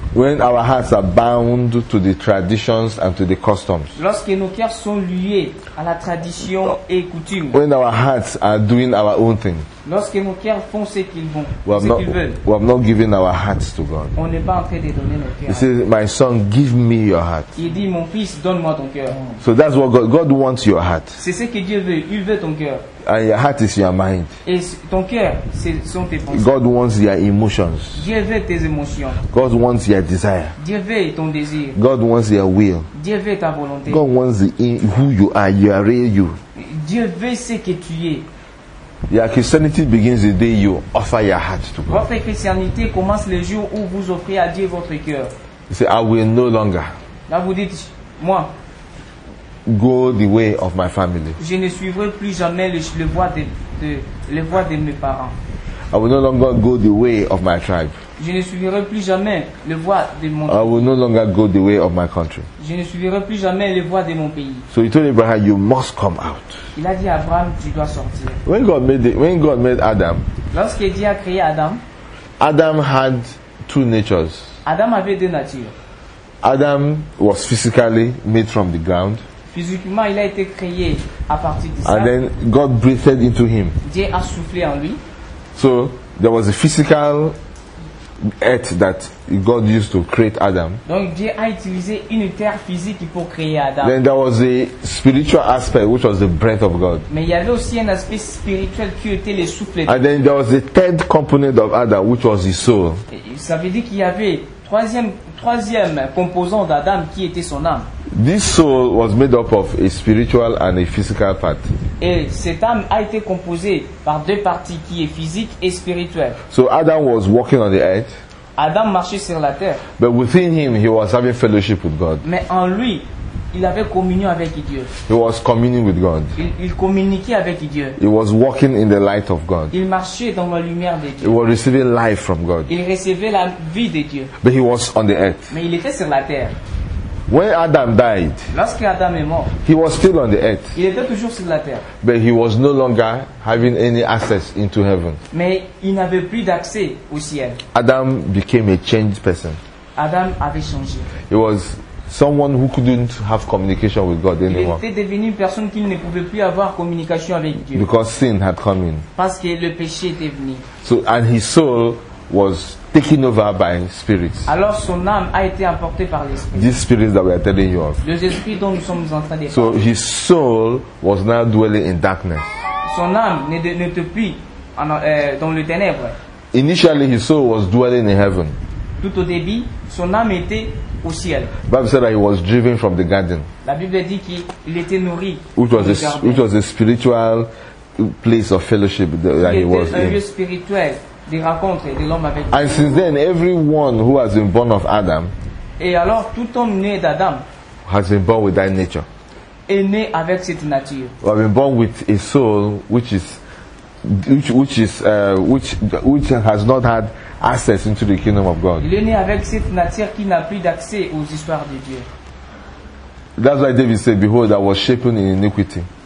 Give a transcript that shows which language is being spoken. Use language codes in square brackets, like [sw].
[en] When our hearts are bound to the traditions and to the customs. [fr] Lorsque nos cœurs sont liés à la tradition et coutumes. [en] When our hearts are doing our own thing. [fr] Lorsque nos cœurs font ce qu'ils vont, [en] We have not given our hearts to God. [fr] On n'est pas en train de donner nos cœurs. [en] He says, "My son, give me your heart." [fr] Il dit, mon fils, donne-moi ton cœur. [en] So that's what God wants your heart. [fr] C'est ce que Dieu veut. Il veut ton cœur. [en] And your heart is your mind. [fr] Et ton cœur, ce sont tes pensées. [en] God wants your emotions. [fr] Dieu veut tes émotions. [en] God wants your desire. [fr] Dieu veut ton désir. [en] God wants your will. [fr] Dieu veut ta volonté. [en] God wants who you are. You are real you. [fr] Dieu veut ce que tu es. [en] Your Christianity begins the day you offer your heart to God. [fr] Votre chrétienté commence le jour où vous offrez à Dieu votre cœur. [en] You say, "I will no longer." [fr] Là, vous dites, moi. [en] Go the way of my family. [fr] Je ne suivrai plus jamais les voies de mes parents. [en] I will no longer go the way of my tribe. [fr] Je ne suivrai plus jamais les voies de mon [en] pays. I will no longer go the way of my country. [fr] Je ne suivrai plus jamais les voies de mon pays. [en] So he told Abraham, "You must come out." [fr] Il a dit à Abraham, tu dois sortir. [en] When God made Adam, [fr] lorsque Dieu a créé Adam, [en] Adam had two natures. [fr] Adam avait deux natures. [en] Adam was physically made from the ground. [fr] Physiquement, il a été créé à partir de ça. [en] And then God breathed into him. [fr] Dieu a soufflé en lui. [en] So there was a physical earth that God used to create Adam. [fr] Donc Dieu a utilisé une terre physique pour créer Adam. [en] Then there was a spiritual aspect which was the breath of God. [fr] Mais il y avait aussi un aspect spirituel qui était le souffle. [en] And then there was a third component of Adam which was his soul. [fr] Ça veut dire qu'il y avait troisième composant d'Adam qui était son âme. [en] This soul was made up of a spiritual and a physical part. [fr] Et cette âme a été composée par deux parties qui est physique et spirituelle. [en] So Adam was walking on the earth. [fr] Adam marchait sur la terre. [en] But within him he was having fellowship with God. [fr] Mais en lui, il avait communion avec Dieu. [en] He was communing with God. [fr] Il communiquait avec Dieu. [en] He was walking in the light of God. [fr] Il marchait dans la lumière de Dieu. [en] He was receiving life from God. [fr] Il recevait la vie de Dieu. [en] But he was on the earth. [fr] Mais il était sur la terre. [en] When Adam died, [fr] lorsque Adam est mort, [en] he was still on the earth. [fr] Il était toujours sur la terre. [en] But he was no longer having any access into heaven. [fr] Mais il n'avait plus d'accès au ciel. [en] Adam became a changed person. [fr] Adam avait changé. [en] He was someone who couldn't have communication with God anymore. [fr] Il était devenu une personne qui ne pouvait plus avoir communication avec Dieu. [en] Because sin had come in. [fr] Parce que le péché était venu. [en] So and his soul was taken over by spirits. [fr] Alors son âme a été emportée par l'esprit. [en] These spirits that we are telling you of. [fr] Les esprits dont nous sommes en train de parler. [en] So his soul was now dwelling in darkness. [fr] Son âme n'était plus dans le ténèbre. [en] Initially his soul was dwelling in heaven. [fr] Tout au début, son âme était au ciel. [en] Bible said that he was driven from the garden. [fr] La Bible dit qu'il était nourri. [en] Which was a spiritual place of fellowship that he was in. [fr] Un lieu spirituel de rencontre de l'homme avec Dieu. [en] And since then, everyone who has been born of Adam. [fr] Et alors, tout homme né d'Adam. [en] Has been born with that nature. [fr] Est né avec cette nature. [en] Or been born with a soul which is which has not had access into the kingdom of God. [fr] Il est né avec cette nature qui n'a plus d'accès aux histoires de Dieu. [en] That's why David said, "Behold, I was shapen in iniquity."